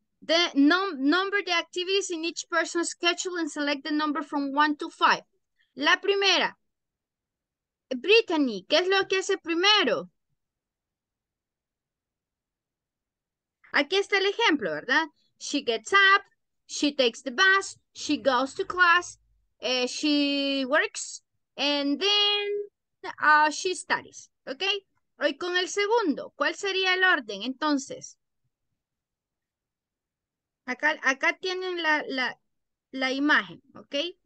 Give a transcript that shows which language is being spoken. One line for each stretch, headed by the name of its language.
English: The number the activities in each person's schedule and select the number from 1 to 5.
Spanish: La primera, Brittany, ¿qué es lo que hace primero? Aquí está el ejemplo, ¿verdad?
English: She gets up, she takes the bus, she goes to class, she works, and then she studies, ¿ok?
Spanish: Hoy con el segundo, ¿cuál sería el orden entonces? Acá tienen la imagen, ¿ok?